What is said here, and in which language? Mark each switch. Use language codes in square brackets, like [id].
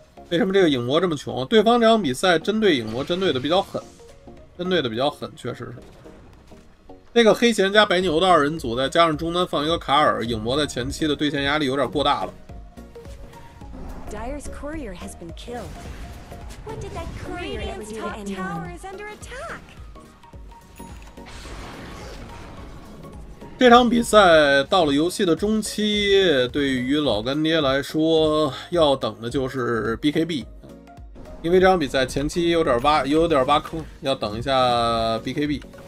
[zh] 为什么这个影魔这么穷？对方这场比赛针对影魔针对的比较狠，针对的比较狠，确实是。那个黑贤加白牛的二人组，再加上中单放一个卡尔，影魔在前期的对线压力有点过大了。 [en] Dire's courier has been killed. What did that courier ever do to anyone? Radiant's top tower is under attack. [zh] 这场比赛到了游戏的中期，对于老干爹来说，要等的就是 BKB， 因为这场比赛前期有点挖，有点挖坑，要等一下 BKB。